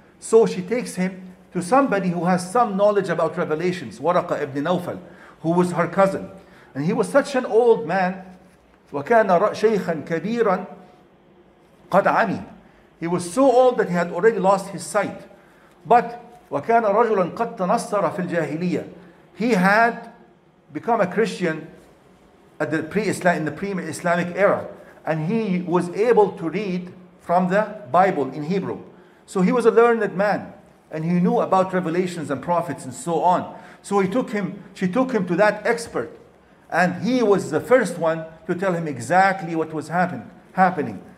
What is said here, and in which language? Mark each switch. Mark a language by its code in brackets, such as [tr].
[en] So she takes him to somebody who has some knowledge about revelations, Waraqa ibn Nawfal, who was her cousin. And he was such an old man. [ar] وَكَانَ شَيْخًا كَبِيرًا قَدْ عَمِي. [en] He was so old that he had already lost his sight. But [ar] وَكَانَ رَجُلًا قَدْ تَنَصَّرَ فِي الْجَاهِلِيَّةِ. [en] He had become a Christian at the pre-Islamic era, and he was able to read from the Bible in Hebrew. So he was a learned man, and he knew about revelations and prophets and so on. So she took him to that expert, and he was the first one to tell him exactly what was happening.